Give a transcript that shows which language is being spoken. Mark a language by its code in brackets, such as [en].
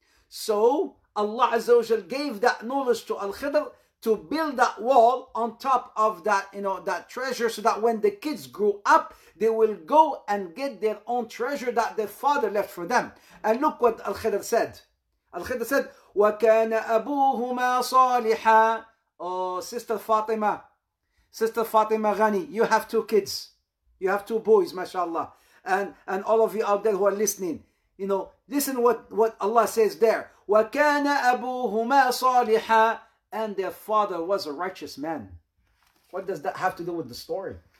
[en] So Allah Azza wa Jal gave that knowledge to Al-Khidr to build that wall on top of that, that treasure, so that when the kids grew up, they will go and get their own treasure that their father left for them. And look what Al-Khidr said. [ar] Al-Khidr [en] said, [ar] وَكَانَ أَبُوهُمَا صَالِحًا. [en] Oh, Sister Fatima Ghani, you have two kids. You have two boys, mashallah. And all of you out there who are listening, listen what Allah says there. [ar] وَكَانَ أَبُوهُمَا صَالِحًا. [en] And their father was a righteous man. What does that have to do with the story?